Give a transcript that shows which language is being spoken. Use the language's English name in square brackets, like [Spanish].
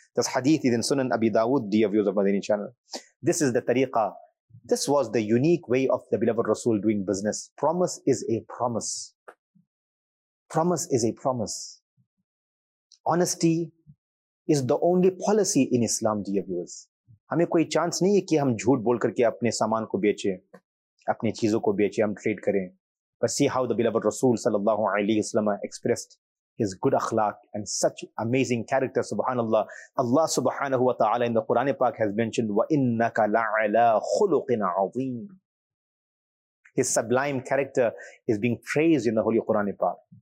[English] This hadith is in Sunan Abi Dawood, dear viewers of Madani channel. This is the tariqah. This was the unique way of the beloved Rasul doing business. Promise is a promise. Promise is a promise. Honesty is the only policy in Islam, dear viewers. [Hindi] हमें कोई chance नहीं है कि हम झूठ बोल करके अपने सामान को बेचें, अपनी चीजों को बेचें, हम ट्रेड करें. [English] But see how the beloved Rasul sallallahu alayhi wa sallam expressed his good akhlaq and such amazing character, subhanallah. Allah subhanahu wa ta'ala in the Quran Pak has mentioned, وَإِنَّكَ لَعَلَىٰ خُلُقٍ عَظِيمٍ. His sublime character is being praised in the Holy Quran Pak.